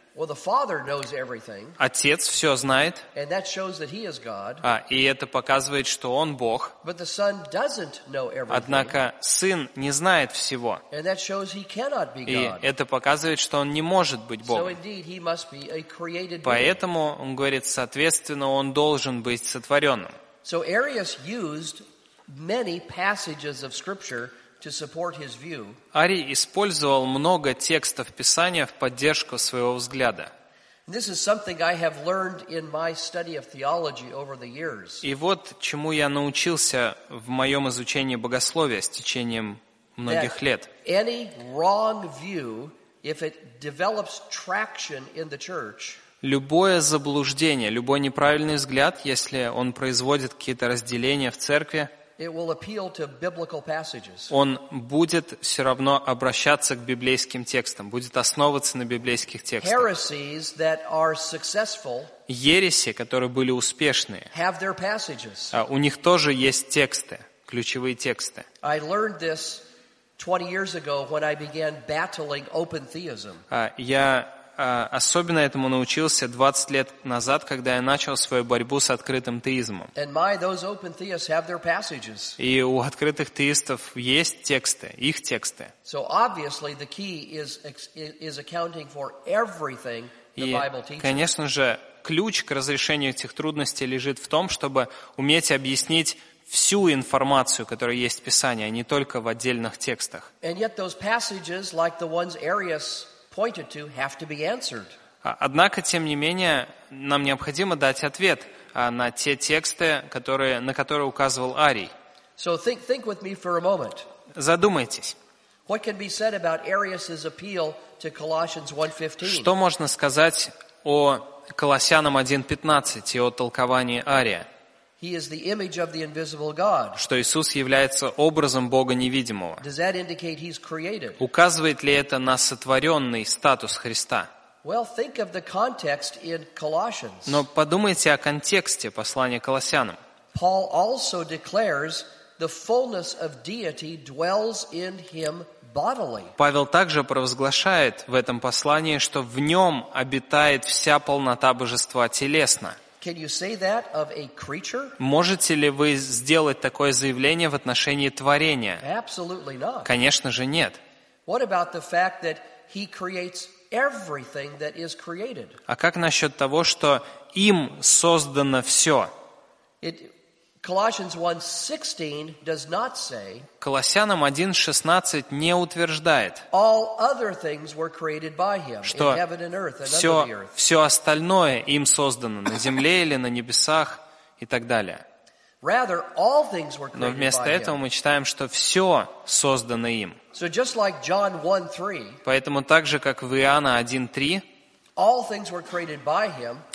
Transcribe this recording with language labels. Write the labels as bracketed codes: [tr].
[en] Well, the Father knows everything. [ru] Отец все знает. [en] And that shows that He is God. [ru] И это показывает, что Он Бог. [en] But the Son doesn't know everything. [ru] Однако Сын не знает всего. [en] And that shows He cannot be God. [ru] И это показывает, что Он не может быть Богом. [en] So indeed, He must be a created being. [ru] Поэтому он говорит, соответственно, Он должен быть сотворенным. [en] So Arius used many passages of Scripture to support his view. [ru] Арий использовал много текстов Писания в поддержку своего взгляда. [en] This is something I have learned in my study of theology over the years. [ru] И вот чему я научился в моем изучении богословия с течением многих лет. [en] Any wrong view, if it develops traction in the church, [ru] любое заблуждение, любой неправильный взгляд, если он производит какие-то разделения в церкви, [en] it will appeal to biblical passages. [ru] Он будет все равно обращаться к библейским текстам, будет основываться на библейских текстах. [en] Heresies that are successful, [ru] ереси, которые были успешные, [en] have their passages. [ru] У них тоже есть тексты, ключевые тексты. [en] I learned this 20 years ago when I began battling open theism. [ru] Особенно этому научился 20 лет назад, когда я начал свою борьбу с открытым теизмом. [en] And my, those open theists have their passages. [ru] И у открытых теистов есть тексты, их тексты. [en] So obviously the key is accounting for everything the Bible teaches. [ru] И, конечно же, ключ к разрешению этих трудностей лежит в том, чтобы уметь объяснить всю информацию, которая есть в Писании, а не только в отдельных текстах. [en] And yet those passages, like the ones Arius pointed to, have to be answered. [ru] Однако, тем не менее, нам необходимо дать ответ на те тексты, которые, на которые указывал Арий. [en] So think with me for a moment. [ru] Задумайтесь. [en] What can be said about Arius's appeal to Colossians 1:15? [ru] Что можно сказать о Колоссянам 1:15 и о толковании Ария? [en] He is the image of the invisible God. [ru] Что Иисус является образом Бога невидимого. [en] Does that indicate He's created? [ru] Указывает ли это на сотворенный статус Христа? [en] Well, think of the context in Colossians. [ru] Но подумайте о контексте послания Колоссянам. [en] Paul also declares the fullness of deity dwells in Him bodily. [ru] Павел также провозглашает в этом послании, что в Нем обитает вся полнота Божества телесно. [en] Can you say that of a creature? [ru] Можете ли вы сделать такое заявление в отношении творения? [en] Absolutely not. [ru] Конечно же, нет. [en] What about the fact that He creates everything that is created? [ru] А как насчет того, что им создано все? [en] Colossians 1:16 does not say. [ru] Колоссянам 1:16 не утверждает. [en] All other things were created by Him, in heaven and earth, and under the earth. [ru] Все остальное им создано на земле или на небесах и так далее. [en] Rather, all things were created by Him. [ru] Но вместо этого мы читаем, что все создано им. [en] So just like John 1:3. [ru] Поэтому так же, как в Иоанна 1:3. [en] All things were created by Him.